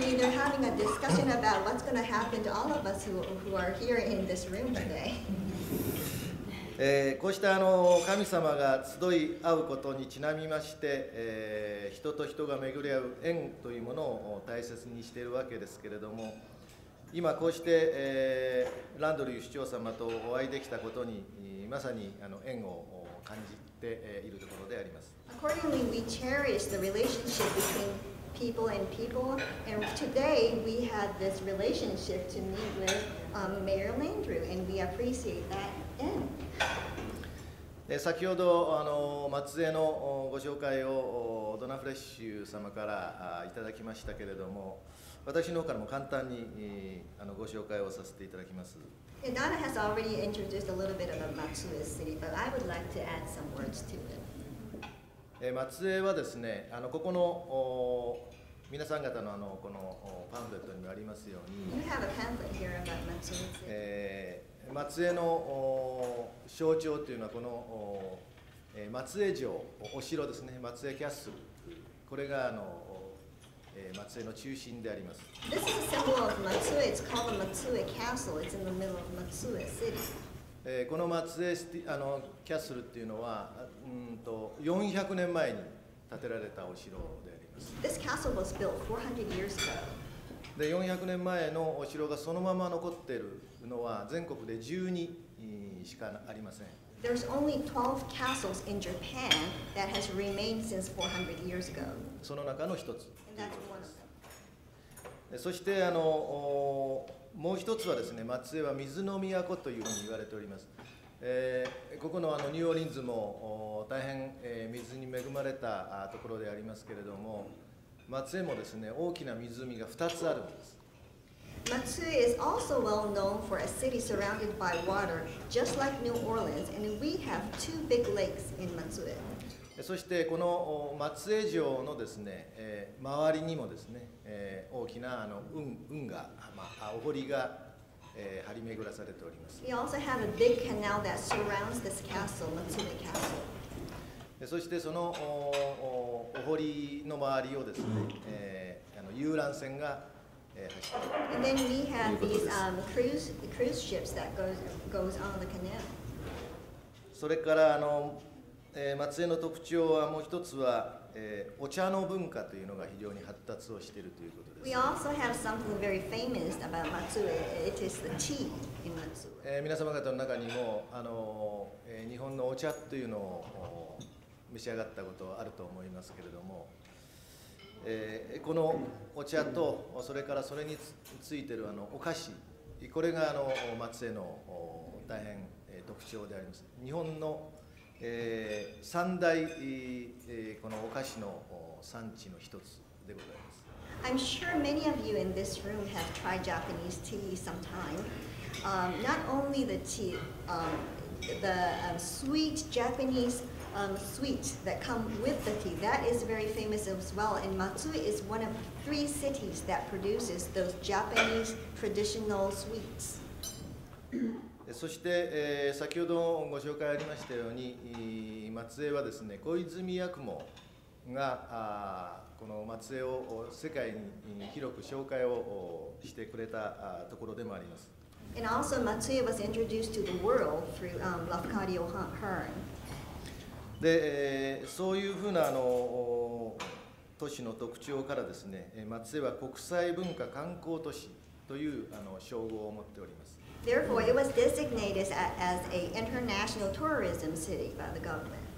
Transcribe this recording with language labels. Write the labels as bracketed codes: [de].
[en] Currently, they're having a discussion about what's going to happen to all of us who are here in this room today. [ja] こうした神様が集い合うことにちなみまして、人と人が巡り合う縁というものを大切にしているわけですけれども、今こうして、ランドリュー市長様とお会いできたことに、まさに縁を感じているところであります。 [en] Accordingly, we cherish the relationship between people and people, and today we had this relationship to meet with Mayor Landrieu, and we appreciate that. [ja] で、先ほど松江のご紹介をドナフレッシュ様からいただきましたけれども、私の方からも簡単にご紹介をさせていただきます。 [en] Donna has already introduced a little bit about Matsue's city, but I would like to add some words to it. [ja] 松江はですね、ここの皆さん方のこのパンフレットにもありますように、 [en] You have a pamphlet here about Matsue's city. [ja] 松江の象徴というのはこの松江城、お城ですね、松江キャッスル、これが松江の中心であります。 [en] This is a symbol of Matsue. It's called the Matsue Castle. It's in the middle of Matsue City. [ja] この松江スティ、あのキャッスルっていうのは、400年前に建てられたお城であります。 [en] This castle was built 400 years ago. [ja] で、400年前のお城がそのまま残ってるのは全国で12しかありません。 [en] There's only 12 castles in Japan that has remained since 400 years ago. [ja] その中の一つ。 [en] And that's one of them. [ja] そしてもう一つはですね、松江は水の都というふうに言われております。ここ の, あのニューオーリンズも大変水に恵まれたところでありますけれども、松江もですね、大きな湖が2つあるんです。 [en] Matsue is also well known for a city surrounded by water, just like New Orleans, and we have two big lakes in Matsue. [ja] そしてこの松江城のですね、周りにもですね、大きなあの 運河、まあ、お堀が張り巡らされております。 [en] We also have a big canal that surrounds this castle, Matsue Castle. [ja] そしてその お堀の周りをですね、遊覧船が [en] And then we have these cruise ships that goes on the canal. [ja] それから松江の特徴はもう一つは、お茶の文化というのが非常に発達をしているということです。 [en] We also have something very famous about Matsue. It is the tea in Matsue. [ja] 皆様方の中にも日本のお茶というのを召し上がったことはあると思いますけれども。このお茶とそれからそれについているお菓子、これが松江の大変特徴であります。日本の三大このお菓子の産地の一つでございます。 [en] I'm sure many of you in this room have tried Japanese tea sometime. Not only the tea, the sweet Japanese. Sweet that come with the tea that is very famous as well. And Matsue is one of three cities that produces those Japanese traditional sweets. [ja] そして、先ほどご紹介ありましたように、松江はですね、小泉八雲がこの松江を世界に広く紹介をしてくれたところでもあります。 [en] And also Matsue was introduced to the world through Lafcadio Hearn. [ja] でそういうふうな都市の特徴からですね、松江は国際文化観光都市という称号を持っております。 [en] Therefore, it was designated as an international tourism city by the government.